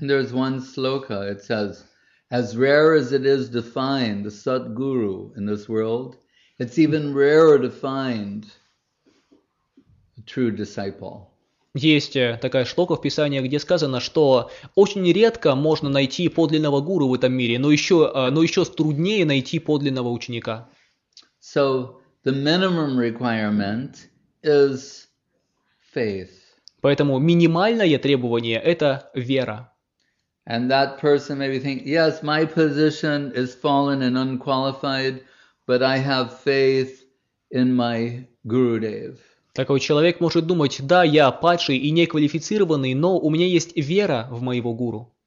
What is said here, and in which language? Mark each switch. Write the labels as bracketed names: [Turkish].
[English] There's one sloka, it says, as rare as it is to find the Satguru in this world, it's even rarer to find a true disciple. [Russian] Есть такая шлока в Писании, где сказано, что очень редко можно найти подлинного гуру в этом мире, но еще труднее найти подлинного ученика. [English] So the minimum requirement is faith. [Russian] Поэтому минимальное требование – это вера. [English] And that person may be thinking, yes, my position is fallen and unqualified, but I have faith in my Guru Dev. [Russian] Такой человек может думать, да, я падший и неквалифицированный, но у меня есть вера в моего гуру.